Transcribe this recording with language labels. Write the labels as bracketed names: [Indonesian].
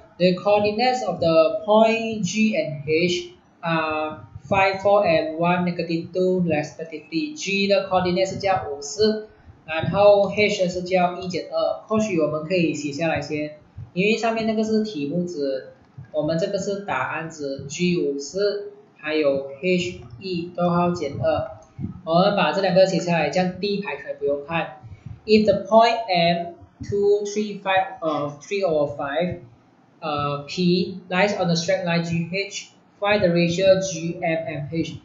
[English] The coordinates of the point G and H are 5, 4 and 1, negative 2 respectively. [Chinese] G 的 coordinates 是叫54，然后 H 是叫1减2。或许我们可以写下来先，因为上面那个是题目纸，我们这个是答案纸。 G 54还有 H 1逗号减2，我们把这两个写下来，这样第一排可以不用看。 [English] If the point M P lies on the straight line GH, find the ratio GM and H.